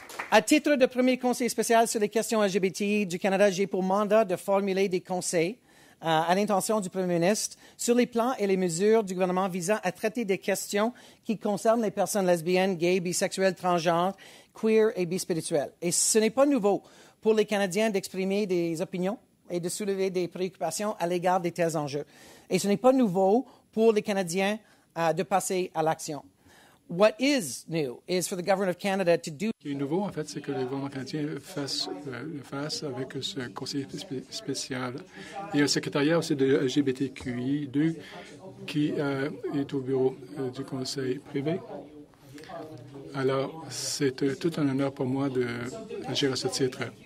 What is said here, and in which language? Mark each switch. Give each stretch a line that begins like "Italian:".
French: À titre de premier conseiller spécial sur les questions LGBTI du Canada, j'ai pour mandat de formuler des conseils à l'intention du premier ministre sur les plans et les mesures du gouvernement visant à traiter des questions qui concernent les personnes lesbiennes, gays, bisexuelles, transgenres, queer et bispirituelles. Et ce n'est pas nouveau pour les Canadiens d'exprimer des opinions et de soulever des préoccupations à l'égard des tels enjeux. Et ce n'est pas nouveau pour les Canadiens de passer à l'action.
English: What is new is for the government of Canada to do.
French: Ce qui est nouveau, en fait, c'est que le gouvernement canadien fasse avec ce conseiller spécial et un secrétariat aussi de LGBTQI2 qui est au bureau du conseil privé. Alors, c'est tout un honneur pour moi d'agir à ce titre.